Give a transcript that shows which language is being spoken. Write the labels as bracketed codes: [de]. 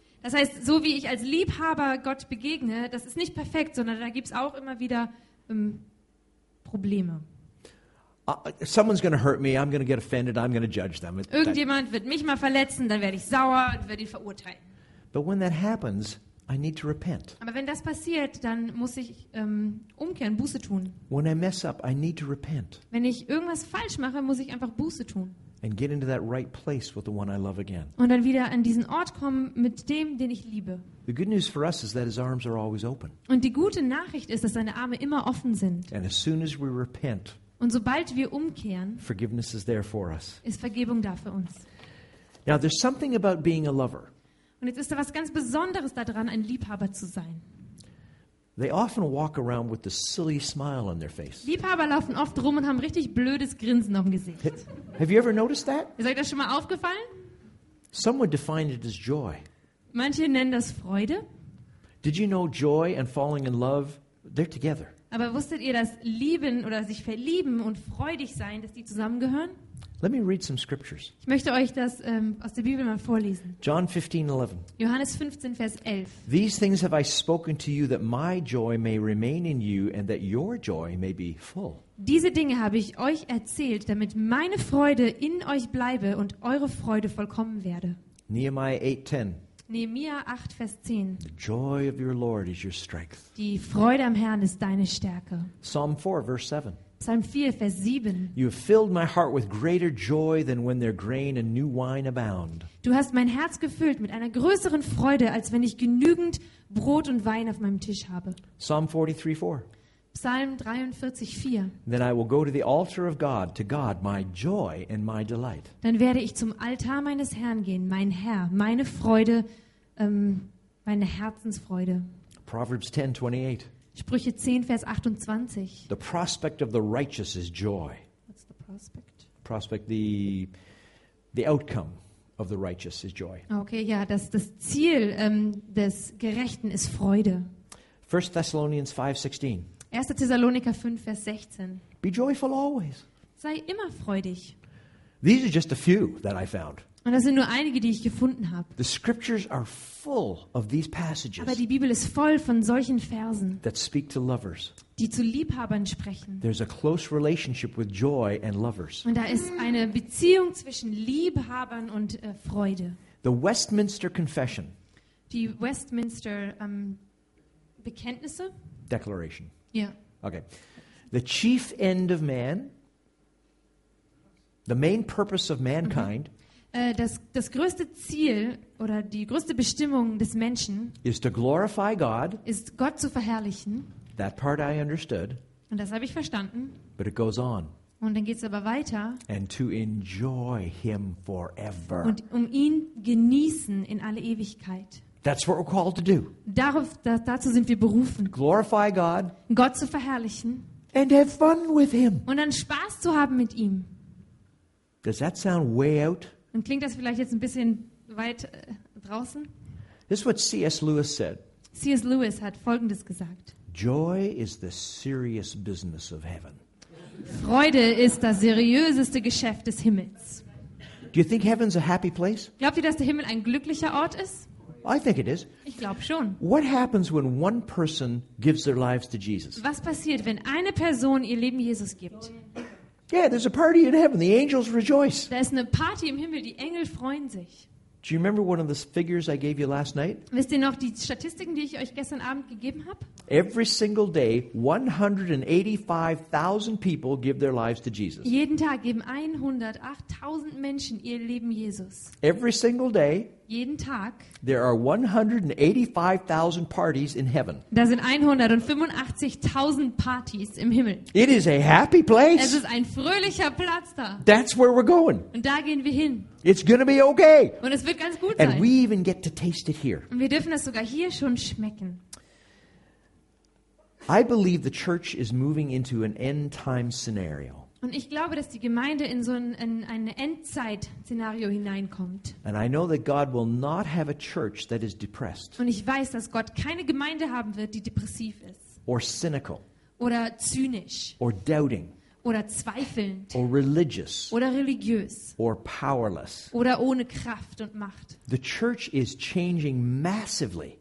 [de] Das heißt, so wie ich als Liebhaber Gott begegne, das ist nicht perfekt, sondern da gibt's auch immer wieder Probleme. [en] Someone's going to hurt me, I'm going to get offended, I'm going to judge them. [de] Irgendjemand wird mich mal verletzen, dann werde ich sauer und werde ihn verurteilen. [en] But when that happens, I need to repent. [de] Aber wenn das passiert, dann muss ich umkehren, Buße tun. [en] When I mess up, I need to repent. [de] Wenn ich irgendwas falsch mache, muss ich einfach Buße tun. [en] And get into that right place with the one I love again. [de] Und dann wieder an diesen Ort kommen mit dem, den ich liebe. [en] The good news for us is that his arms are always open. [de] Und die gute Nachricht ist, dass seine Arme immer offen sind. [en] And as soon as we repent, [de] und sobald wir umkehren, [en] forgiveness is there for us. [de] Ist Vergebung da für uns. [en] Now there's something about being a lover. [de] Und jetzt ist da was ganz Besonderes daran, ein Liebhaber zu sein. [en] They often walk around with a silly smile on their face. [de] Liebhaber laufen oft rum und haben richtig blödes Grinsen auf dem Gesicht. [en] Have you ever noticed that? [de] Ist euch das schon mal aufgefallen? [en] Some would define it as joy. [de] Manche nennen das Freude. [en] Did you know joy and falling in love, they're together. [de] Aber wusstet ihr, dass Lieben oder sich verlieben und freudig sein, dass die zusammengehören? [en] Let me read some scriptures. [de] Ich möchte euch das aus der Bibel mal vorlesen. [en] John 15:11. [de] Johannes 15, Vers 11. [en] These things have I spoken to you, that my joy may remain in you and that your joy may be full. [de] Diese Dinge habe ich euch erzählt, damit meine Freude in euch bleibe und eure Freude vollkommen werde. [en] Nehemiah [de] 8, Vers 10. [en] The joy of your Lord is your strength. [de] Die Freude am Herrn ist deine Stärke. Psalm 4, Vers 7. Psalm 4, Vers 7. [en] You have filled my heart with greater joy than when their grain and new wine abound. [de] Du hast mein Herz gefüllt mit einer größeren Freude, als wenn ich genügend Brot und Wein auf meinem Tisch habe. [en] Psalm 43, 4. [de] Psalm 43:4. [en] Then I will go to the altar of God, to God, my joy and my delight. [de] Dann werde ich zum Altar meines Herrn gehen, mein Herr, meine Freude, meine Herzensfreude. [en] Proverbs 10:28. [de] Sprüche 10, Vers 28. [en] The prospect of the righteous is joy. What's the prospect? Prospect, the outcome of the righteous is joy. [de] Okay, ja, das Ziel des Gerechten ist Freude. [en] 1 Thessalonians 5:16. [de] 1. Thessaloniker 5, Vers 16. [en] Be joyful always. [de] Sei immer freudig. [en] These are just a few that I found. [de] Und das sind nur einige, die ich gefunden habe. [en] The scriptures are full of these passages. [de] Aber die Bibel ist voll von solchen Versen. [en] That speak to lovers. [de] Die zu Liebhabern sprechen. [en] There's a close relationship with joy and lovers. [de] Und da ist eine Beziehung zwischen Liebhabern und Freude. [en] The Westminster Confession. [de] Die Westminster Bekenntnisse. [en] Declaration. Yeah. Okay. The chief end of man, the main purpose of mankind, [de] das größte Ziel oder die größte Bestimmung des Menschen [en] is to glorify God. [de] Ist Gott zu verherrlichen. [en] That part I understood. [de] Und das habe ich verstanden. [en] But it goes on. [de] Und dann geht's aber weiter. [en] And to enjoy him forever. [de] Und ihn genießen in alle Ewigkeit. [en] That's what we're called to do. [de] Dazu sind wir berufen. [en] Glorify God. [de] Gott zu verherrlichen. [en] And have fun with him. [de] Und dann Spaß zu haben mit ihm. [en] Does that sound way out? [de] Und klingt das vielleicht jetzt ein bisschen weit draußen? [en] This is what C.S. Lewis said. [de] C.S. Lewis hat Folgendes gesagt. [en] Joy is the serious business of heaven. [de] Freude ist das seriöseste Geschäft des Himmels. [en] Do you think heaven's a happy place? [de] Glaubt ihr, dass der Himmel ein glücklicher Ort ist? [en] I think it is. [de] Ich glaube schon. [en] What happens when one person gives their lives to Jesus? [de] Was passiert, wenn eine Person ihr Leben Jesus gibt? [en] Yeah, there's a party in heaven. The angels rejoice. [de] Da ist eine Party im Himmel. Die Engel freuen sich. [en] Do you remember one of the figures I gave you last night? [de] Wisst ihr noch die Statistiken, die ich euch gestern Abend gegeben habe? [en] Every single day, 185,000 people give their lives to Jesus. [de] Jeden Tag geben 108,000 Menschen ihr Leben Jesus. [en] Every single day. [de] Jeden Tag. [en] There are 185,000 parties in heaven. [de] Da sind 185,000 Partys im Himmel. [en] It is a happy place. [de] Es ist ein fröhlicher Platz da. [en] That's where we're going. [de] Und da gehen wir hin. [en] It's going to be okay. [de] Und es wird ganz gut [en] and [de] sein. [en] And we even get to taste it here. [de] Und wir dürfen das sogar hier schon schmecken. [en] I believe the church is moving into an end-time scenario. [de] Und ich glaube, dass die Gemeinde in so ein Endzeit-Szenario hineinkommt. [en] And I know that God will not have a church that is depressed. [de] Und ich weiß, dass Gott keine Gemeinde haben wird, die depressiv ist. [en] Or cynical. [de] Oder zynisch. [en] Or doubting. [de] Oder zweifelnd. [en] Or religious. [de] Oder religiös. [en] Or powerless. [de] Oder ohne Kraft und Macht. [en] The church is changing massively.